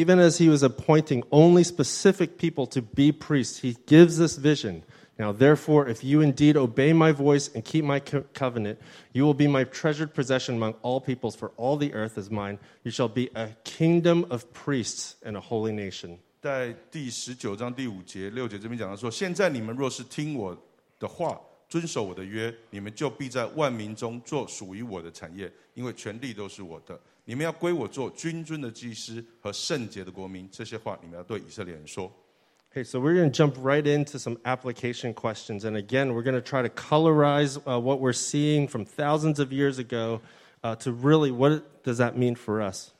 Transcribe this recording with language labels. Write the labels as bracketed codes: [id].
[en] Even as he was appointing only specific people to be priests, he gives this vision. Now, therefore, if you indeed obey my voice and keep my covenant, you will be my treasured possession among all peoples, for all the earth is mine. You shall be a kingdom of priests and a holy nation. [zh] 在第十九章第五节、六节这边讲到说，现在你们若是听我的话，遵守我的约，你们就必在万民中做属于我的产业，因为全地都是我的。你们要归我做君尊的祭司和圣洁的国民。这些话你们要对以色列人说。 [en] Okay, so we're going to jump right into some application questions. And again, we're going to try to colorize what we're seeing from thousands of years ago to really what does that mean for us.